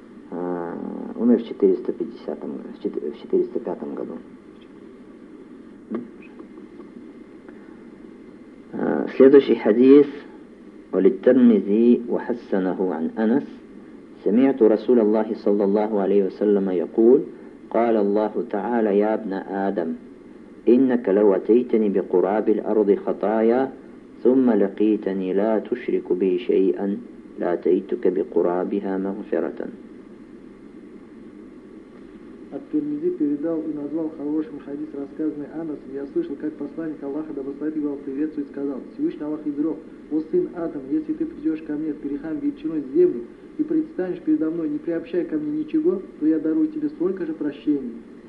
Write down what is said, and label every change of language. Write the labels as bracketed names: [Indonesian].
[Russian] Умер в 405 году. Следующий хадис. [Arabic] Уль-Тирмизи ва хассанаху ан Анас. سمعت رسول الله صلى الله عليه وسلم يقول قال الله تعالى يا ابن آدم إنك لو أتيتني بقراب الأرض خطايا ثم لقيتني لا تشرك بي شيئا لأتيتك بقرابها مغفرة. [Russian] الترمذي передал и назвал хорошим хадис, рассказанный Анасом. Я слышал, как посланник Аллаха да благословит его приветствует, сказал: Всевышний Аллах изрёк: О сын Адам, если ты придёшь ко мне с грехами величиной земли и предстанешь передо мной, не приобщая ко мне ничего, то я дарую тебе столько же прощений.